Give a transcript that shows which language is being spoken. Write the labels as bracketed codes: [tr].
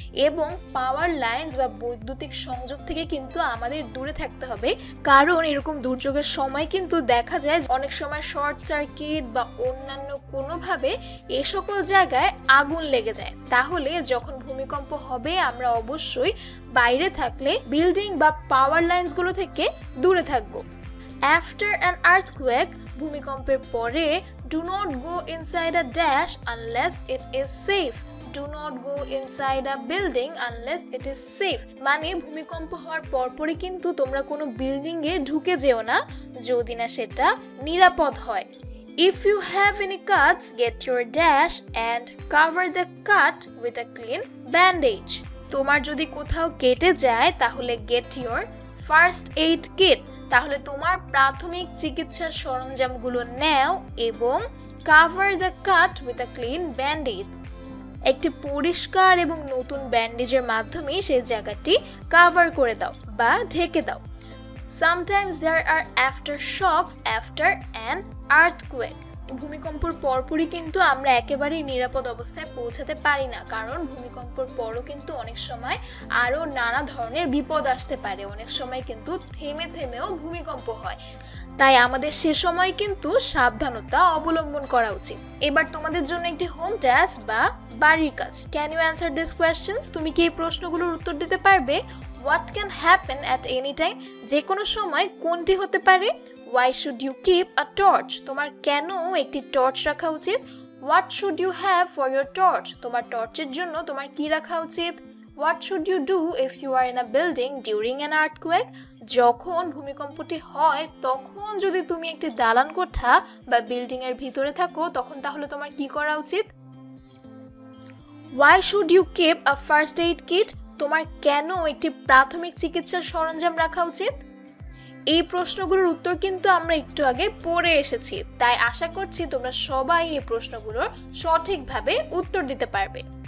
[bn] এবং পাওয়ার লাইন্স বা বৈদ্যুতিক সংযোগ থেকে কিন্তু আমাদের দূরে থাকতে হবে, কারণ এরকম দুর্যোগের সময় কিন্তু দেখা যায় অনেক সময় শর্ট সার্কিট বা অন্যান্য কোনোভাবে এ সকল জায়গায় আগুন লেগে যায়। তাহলে যখন ভূমিকম্প হবে, আমরা অবশ্যই বাইরে থাকলে বিল্ডিং বা পাওয়ার লাইন্সগুলো থেকে দূরে থাকবো। [en] After an earthquake, [bn] ভূমিকম্পের পরে, [en] do not go inside a dash unless it is safe. Do not go inside a building unless it is safe. [bn] মানে ভূমিকম্প হওয়ার পরপরই কিন্তু তোমরা কোনো বিল্ডিংয়ে ঢুকে যেও না, যদি না সেটা নিরাপদ হয়। [en] If you have any cuts, get your dash and cover the cut with a clean bandage. [bn] তোমার যদি কোথাও কেটে যায়, তাহলে [en] get your first aid kit. [bn] তাহলে তোমার প্রাথমিক চিকিৎসা সরঞ্জামগুলো নাও এবং [en] Cover the cut with a clean bandage. [bn] একটি পরিষ্কার এবং নতুন ব্যান্ডেজের মাধ্যমে সেই জায়গাটি কভার করে দাও বা ঢেকে দাও। [en] Sometimes there are after shocks after an earthquake. [bn] ভূমিকম্পর পরপরই কিন্তু আমরা একেবারেই নিরাপদ অবস্থায় পৌঁছাতে পারি না, কারণ ভূমিকম্পর পরও কিন্তু অনেক সময় আরও নানা ধরনের বিপদ আসতে পারে। অনেক সময় কিন্তু থেমে থেমেও ভূমিকম্প হয়, তাই আমাদের সে সময় কিন্তু সাবধানতা অবলম্বন করা উচিত। এবার তোমাদের জন্য একটি হোম টাস্ক বা বাড়ির কাজ, [en] can you answer this questions, [bn] তুমি কি এই প্রশ্নগুলোর উত্তর দিতে পারবে? [en] what can happen at any time, [bn] যে কোনো সময় কোনটি হতে পারে? [en] Why should you keep a torch? [bn] তোমার কেন একটি টর্চ রাখা উচিত? [en] What should you have for your torch? [bn] তোমার টর্চের জন্য তোমার কি রাখা উচিত? [en] What should you do if you are in a building during an earthquake? [bn] যখন ভূমিকম্পটি হয় তখন যদি তুমি একটি দালান কোঠা বা বিল্ডিং এর ভিতরে থাকো তখন তাহলে তোমার কি করা উচিত? [en] Why should you keep a first aid kit? [bn] তোমার কেন একটি প্রাথমিক চিকিৎসার সরঞ্জাম রাখা উচিত? এই প্রশ্নগুলোর উত্তর কিন্তু আমরা একটু আগে পড়ে এসেছি, তাই আশা করছি তোমরা সবাই এই প্রশ্নগুলোর সঠিকভাবে উত্তর দিতে পারবে।